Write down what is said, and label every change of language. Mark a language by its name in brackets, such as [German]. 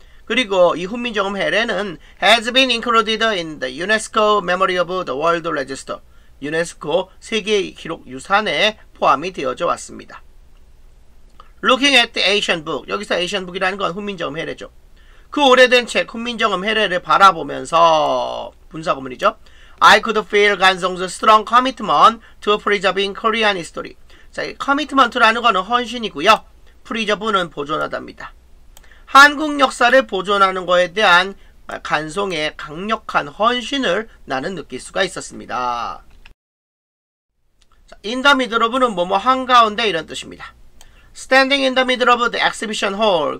[Korean] 그리고 이 훈민정음 해례는 [English] has been included in the UNESCO Memory of the World Register, [Korean] 유네스코 세계 기록 유산에 포함이 되어져 왔습니다. [English] Looking at the ancient book, [Korean] 여기서 ancient book이라는 건 훈민정음 해례죠. 그 오래된 책 훈민정음 해례를 바라보면서 분사구문이죠. [English] I could feel Gansong's strong commitment to preserving Korean history. [Korean] 자, 이 commitment라는 거는 헌신이고요. preserve는 보존하답니다. 한국 역사를 보존하는 거에 대한 간송의 강력한 헌신을 나는 느낄 수가 있었습니다. 자, [English] in the middle of [Korean] 는 뭐뭐 한가운데 이런 뜻입니다. [English] Standing in the middle of the exhibition hall.